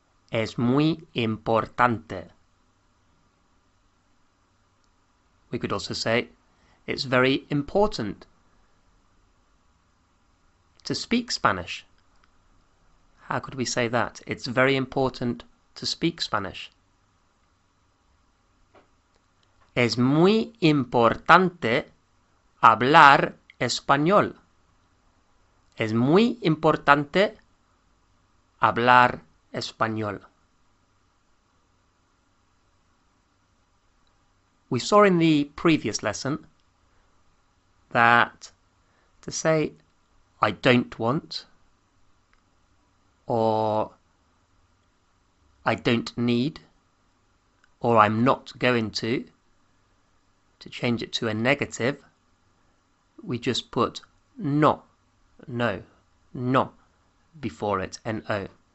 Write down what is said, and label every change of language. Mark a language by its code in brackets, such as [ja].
[es] Es muy importante. [en] We could also say, it's very important to speak Spanish. How could we say that? It's very important to speak Spanish. [es] Es muy importante hablar español. Es muy importante hablar español. [en] We saw in the previous lesson that to say I don't want or I don't need or I'm not going to change it to a negative, we just put no, no, no before it, N-O.